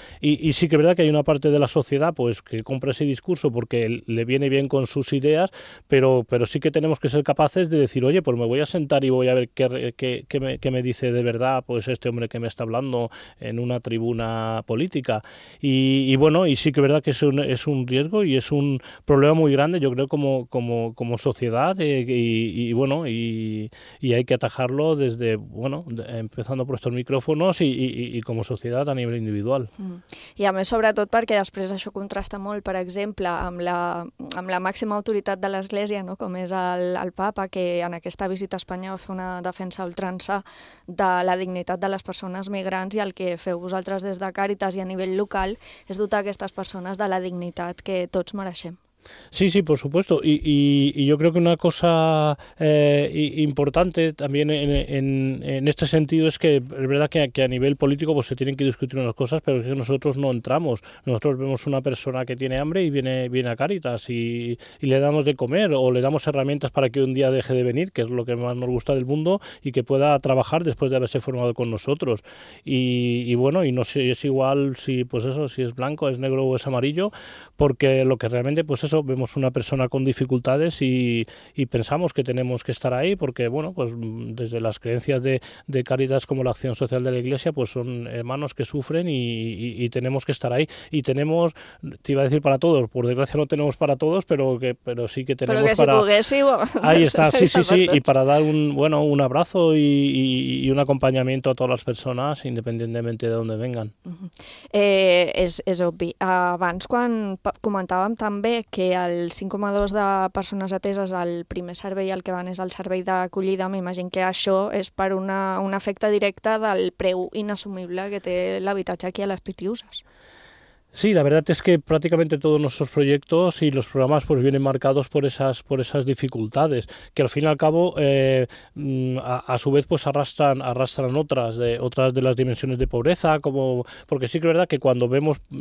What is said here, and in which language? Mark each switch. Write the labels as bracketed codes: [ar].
[es] Y sí que es verdad que hay una parte de la sociedad pues que compra ese discurso porque le viene bien con sus ideas, pero sí que tenemos que ser capaces de decir, oye, pues me voy a sentar y voy a ver qué me dice de verdad pues este hombre que me está hablando en una tribuna política. Y bueno, y sí que es verdad que es un riesgo y es un problema muy grande, yo creo, como sociedad y hay que atajarlo desde, bueno, empezando por estos micrófonos y como sociedad a nivel individual. [ca] I a més, sobretot, perquè després això contrasta molt, per exemple, amb la màxima autoritat de l'Església, no? Com és el Papa, que en aquesta visita a Espanya va fer una defensa ultransa de la dignitat de les persones migrants i el que feu vosaltres des de Càritas i a nivell local és dotar aquestes persones de la dignitat que tots mereixem. [es] Sí, sí, por supuesto. Y yo creo que una cosa importante también en este sentido es que es verdad que a nivel político pues se tienen que discutir unas cosas, pero es que nosotros no entramos. Nosotros vemos una persona que tiene hambre y viene a Cáritas y le damos de comer o le damos herramientas para que un día deje de venir, que es lo que más nos gusta del mundo, y que pueda trabajar después de haberse formado con nosotros. Y bueno, y no sé, es igual si pues eso, si es blanco, es negro o es amarillo, porque lo que realmente pues eso, vemos una persona con dificultades y pensamos que tenemos que estar ahí porque, bueno, pues desde las creencias de Cáritas como la acción social de la Iglesia, pues son hermanos que sufren y tenemos que estar ahí. Y tenemos, te iba a decir para todos, por desgracia no tenemos para todos, pero sí que tenemos para... Pero que si pugués, ahí está, sí, sí, sí, y para dar un abrazo y un acompañamiento a todas las personas, independientemente de dónde vengan. [ca] Es obvi. Abans, quan comentàvem també que el 5,2 de persones ateses al primer servei al que van és el servei d'acollida, m'imagino que això és per un efecte directe del preu inassumible que té l'habitatge aquí a les Pitiuses. [es] Sí, la verdad es que prácticamente todos nuestros proyectos y los programas pues vienen marcados por esas dificultades, que al fin y al cabo a su vez pues arrastran otras de las dimensiones de pobreza, como porque sí que es verdad que cuando vemos,